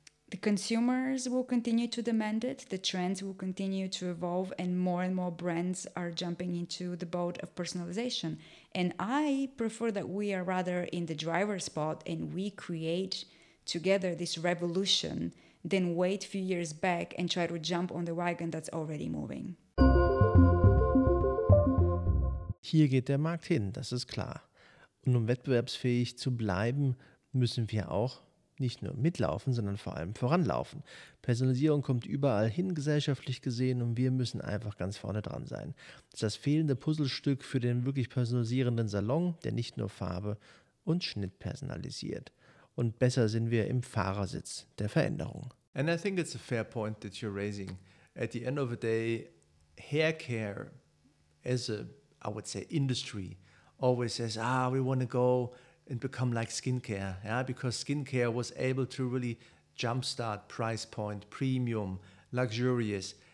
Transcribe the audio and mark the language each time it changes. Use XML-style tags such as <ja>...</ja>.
<en>The consumers will continue to demand it, the trends will continue to evolve, and more brands are jumping into the boat of personalization. And I prefer that we are rather in the driver's spot and we create together this revolution than wait a few years back and try to jump on the wagon that's already moving.</en> <de>Hier geht der Markt hin, das ist klar. Und um wettbewerbsfähig zu bleiben, müssen wir auch nicht nur mitlaufen, sondern vor allem voranlaufen. Personalisierung kommt überall hin, gesellschaftlich gesehen, und wir müssen einfach ganz vorne dran sein. Das ist das fehlende Puzzlestück für den wirklich personalisierenden Salon, der nicht nur Farbe und Schnitt personalisiert. Und besser sind wir im Fahrersitz der Veränderung.</de> <en>And I think it's a fair point that you're raising. At the end of the day, hair care as a, I would say, industry always says, ah, we want to go and become like skincare, yeah, because skincare was able to really jumpstart price point, premium, luxurious.</en>